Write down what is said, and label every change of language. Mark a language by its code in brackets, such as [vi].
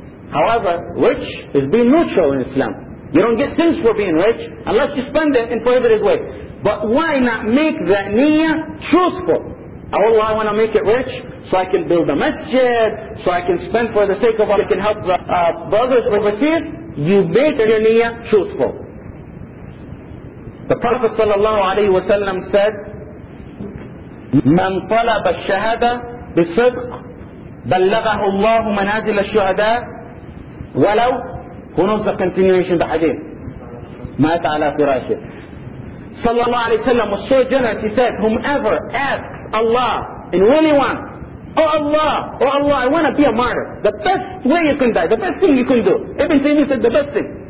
[en] However, rich is being neutral in Islam. You don't get things for being rich unless you spend it in prohibited ways. But why not make that niyyah truthful? Allah, I want to make it rich so I can build a masjid, so I can spend for the sake of Allah, I can help the brothers overseas. You make your niyyah truthful. The Prophet sallallahu alayhi wa sallam said, [ar] من طلب الشهادة بصدق بلغه الله منازل الشهداء ولو. [en] Who knows the continuation of the hadith? [ar] مات على فراشه. صلى الله عليه وسلم [en] was so generous, he said, whomever asks Allah and really wants, Oh Allah, I want to be a martyr. The best way you can die, the best thing you can do. Ibn Taymiyyah said the best thing.